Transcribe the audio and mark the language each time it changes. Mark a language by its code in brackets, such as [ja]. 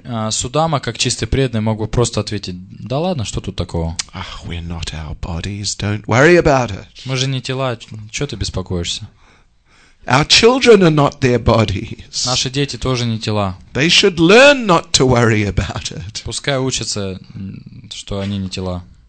[ru] Судама, как чистый преданный, мог бы просто ответить: да ладно, что тут такого? [en] Ah, we're not our bodies. Don't worry about it. [ru] Мы же не тела, чё ты беспокоишься? [en] Our children are not their bodies. [ru] Наши дети тоже не тела. [en] They should learn not to worry about it. [ru] Пускай учатся, что они не тела.